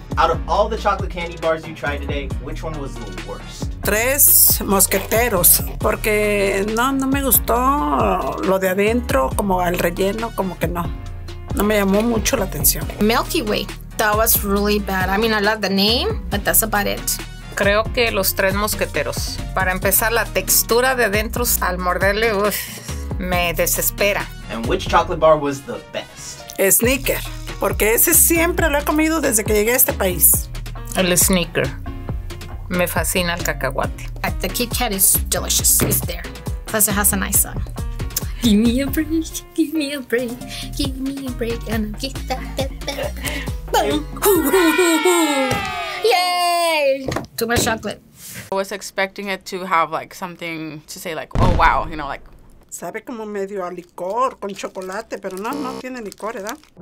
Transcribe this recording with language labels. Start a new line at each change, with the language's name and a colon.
English: Out of all the chocolate candy bars you tried today, which one was the worst?
Spanish: Tres mosqueteros. Porque no me gustó lo de adentro, como el relleno, como que no. No me llamó mucho la atención.
English: Milky Way. That was really bad. I mean, I love the name, but that's about it.
Spanish: Creo que los tres mosqueteros. Para empezar, la textura de adentro al morderle, uff, me desespera.
English: And which chocolate bar was the best?
Spanish: Snicker, porque ese siempre lo he comido desde que llegué a este país. El Snicker. Me fascina el cacahuate.
English: The Kit Kat is delicious. It's there. Plus it has a nice song. Give me a break, give me a break, give me a break, and I'll get that, Yay! Too much chocolate. I was expecting it to have like something to say like, oh wow, you know, like.
Spanish: Sabe como medio a licor con chocolate, pero no tiene licor, ¿verdad?